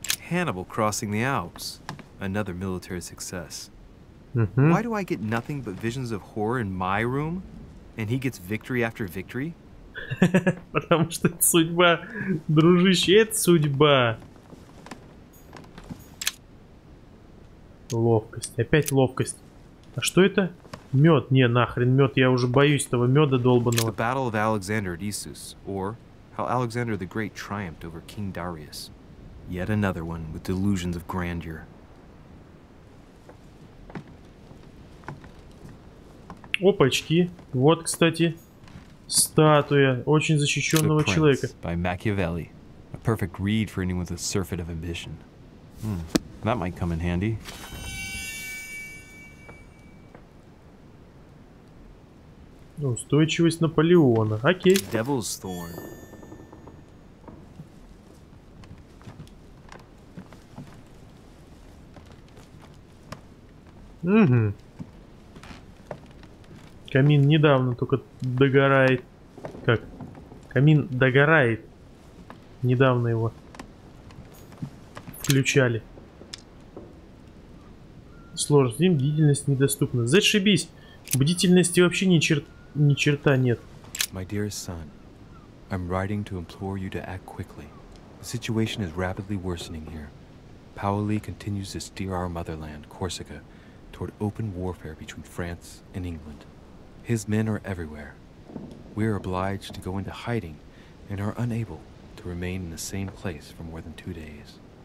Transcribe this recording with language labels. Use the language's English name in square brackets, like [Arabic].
[English] Hannibal crossing the Alps. Another military success. Mm-hmm. Why do I get nothing but visions of horror in my room, and he gets victory after victory? [Russian] Потому что это судьба, дружище, это судьба. Ловкость, опять ловкость. А что это? Мед? Не, нахрен мед, я уже боюсь этого меда долбанного. [English] The Battle of Alexander at Issus, or how Alexander the Great triumphed over King Darius. Yet another one with delusions of grandeur. [Russian] Опачки. Вот, кстати, статуя очень защищенного человека. [English] By Machiavelli. A perfect read for anyone with a surfeit of ambition. That might come in handy. [Russian] Устойчивость Наполеона. Окей. [English] Devil's thorn. [Russian] Угу. Камин недавно только догорает. Как? Камин догорает. Недавно его включали. Сложность. Им бдительность недоступна. Зашибись. Бдительности вообще ни черта нет. [English] My dearest son, I'm writing to implore you to act quickly. The situation is rapidly worsening here. Paoli continues to steer our motherland, Corsica, toward open warfare between France and England. His men are everywhere. We are obliged to go into hiding and are unable to remain in the same place for more than 2 days.